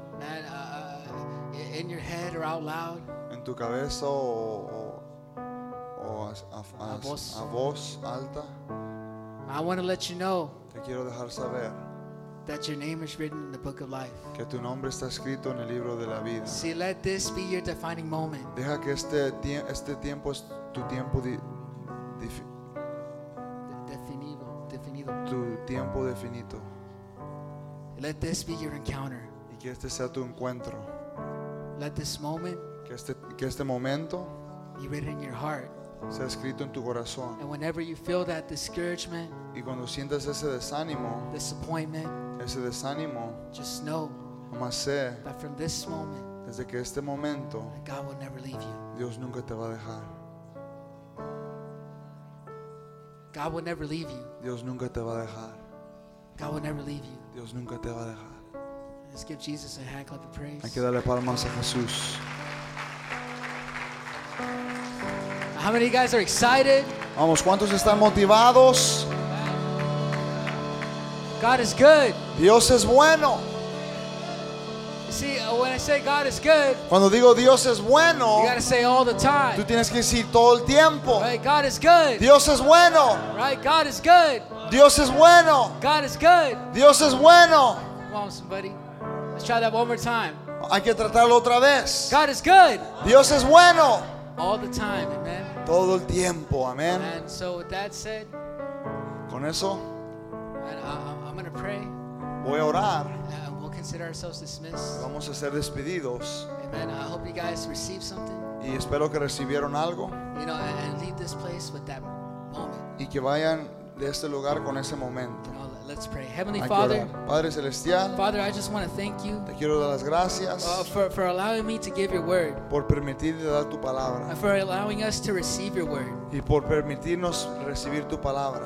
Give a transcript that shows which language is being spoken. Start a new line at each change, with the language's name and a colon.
English: Man, in your head or out loud.
Spanish: En tu cabeza o a voz alta.
English: I want to let you know.
Spanish: Te quiero dejar saber.
English: That your name is written in the book of life.
Spanish: Que tu nombre está escrito en el libro de la vida.
English: See, let this be your defining moment.
Spanish: Deja que este tiempo es tu tiempo definido. Tu tiempo definito.
English: Let this be your encounter.
Spanish: Y que este sea tu encuentro.
English: Let this moment.
Spanish: Que este momento.
English: Be written in your heart.
Spanish: Sea escrito en tu corazón.
English: And whenever you feel that discouragement.
Spanish: Y cuando sientas ese desánimo.
English: Disappointment.
Spanish: Ese desánimo,
English: just know that from this moment,
Spanish: desde que este momento,
English: God will never leave you.
Spanish: Dios nunca te va a dejar.
English: God will never leave you.
Spanish: Dios nunca te va a dejar.
English: God will never leave you.
Spanish: Dios nunca te va a dejar.
English: Let's give Jesus a hand clap of praise.
Spanish: Hay que darle palmas a Jesús.
English: How many of you guys are excited?
Spanish: Vamos, ¿cuántos están motivados?
English: God is good.
Spanish: Dios es bueno.
English: See, when I say God is good,
Spanish: cuando digo Dios es bueno,
English: you gotta say all the time.
Spanish: Tú tienes que decir todo el tiempo.
English: Right, God is good.
Spanish: Dios es bueno.
English: Right, God is good.
Spanish: Dios es bueno.
English: God is good.
Spanish: Dios es bueno.
English: Come on, somebody. Let's try that one more time.
Spanish: Hay que tratarlo otra vez.
English: God is good.
Spanish: Dios es bueno.
English: All the time, amen.
Spanish: Todo el tiempo, amen.
English: And so with that said,
Spanish: con eso.
English: I'm going to pray.
Spanish: Voy a orar.
English: We'll consider ourselves dismissed.
Spanish: Vamos a ser despedidos.
English: Amen. I hope you guys receive something.
Spanish: Y espero que recibieron algo.
English: You know, and leave this place with that moment.
Spanish: Y que vayan de este lugar con ese momento.
English: Let's pray. Heavenly Father,
Spanish: Padre Celestial,
English: Father, I just want to thank you.
Spanish: Te quiero dar las gracias
English: for allowing me to give your word.
Spanish: Por permitirte dar tu palabra.
English: For allowing us to receive your word.
Spanish: Y por permitirnos recibir tu palabra.